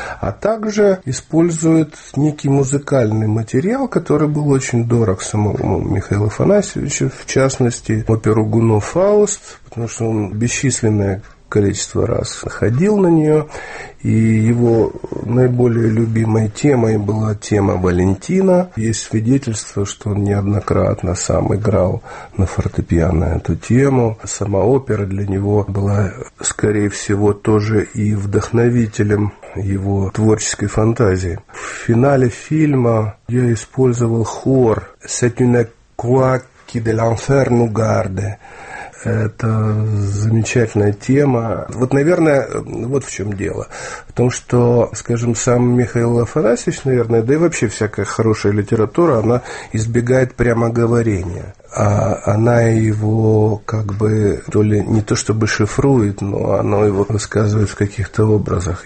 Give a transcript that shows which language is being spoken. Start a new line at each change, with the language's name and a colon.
Russian: а также используют некий музыкальный материал, который был очень дорог самому Михаилу Афанасьевичу, в частности, оперу «Гуно Фауст», потому что он бесчисленное количество раз ходил на нее, и его наиболее любимой темой была тема Валентина. Есть свидетельство, что он неоднократно сам играл на фортепиано эту тему. Сама опера для него была, скорее всего, тоже и вдохновителем его творческой фантазии. В финале фильма я использовал хор
French: «C'est une croix qui de l'enfer nous garde».
Russian: Это замечательная тема. Вот, наверное, вот в чем дело. В том, что, скажем, сам Михаил Афанасьевич, наверное, да и вообще всякая хорошая литература, она избегает прямоговорения. А она его как бы то ли не то чтобы шифрует, но оно его высказывает в каких-то образах.